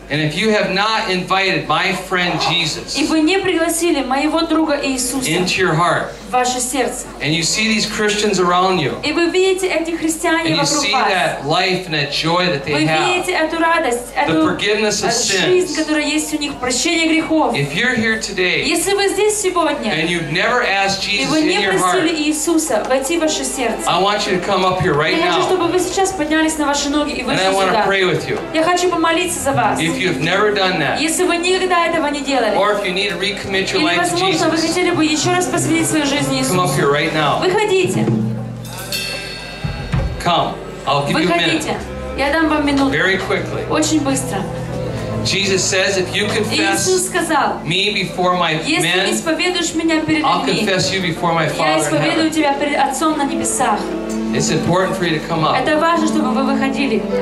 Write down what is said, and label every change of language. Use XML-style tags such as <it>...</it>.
<en>and if you have not invited my friend Jesus,</en> <ru>и вы не пригласили моего друга Иисуса,</ru> <en>into your heart,</en> <ru>в ваше сердце,</ru> <en>and you see these Christians around you,</en> <ru>и вы видите этих христиан вокруг вас,</ru> <en>and you see that life and that joy that they have,</en> <ru>вы видите эту радость,</ru> <en>the forgiveness of sins,</en> <ru>жизнь, которая есть у них, прощение грехов.</ru> <en>If you're here today,</en> <ru>если вы здесь сегодня,</ru> <en>and you've never asked Jesus in your heart,</en> <ru>и вы не пригласили Иисуса войти в ваше сердце,</ru> <en>I want you to come up here right now.</en> <ru>Я хочу, чтобы вы сейчас поднялись на ваши ноги.</ru> <en>And I want to pray with you.</en> <ru>Я хочу помолиться за вас.</ru> <en>If you've never done that.</en> <ru>Если вы никогда этого не делали.</ru> <en>Or if you need to recommit your life to Jesus.</en> <ru>Или, возможно, вы хотели бы еще раз посвятить свою жизнь Иисусу.</ru> <en>Come up here right now.</en> <ru>Выходите.</ru> <en>Come. I'll give</en> <ru>Выходите.</ru> <en>You a minute.</en> <ru>Я дам вам минуту.</ru> <en>Very quickly.</en> <ru>Очень быстро.</ru> <en>Jesus says, if you confess</en> <ru>сказал,</ru> <en>me before my men, I'll confess you before my Father.</en> <ru>Я исповедую тебя перед Отцом на небесах.</ru> <en>It's important for you to come up.</en> <ru>Это важно, чтобы вы выходили.</ru>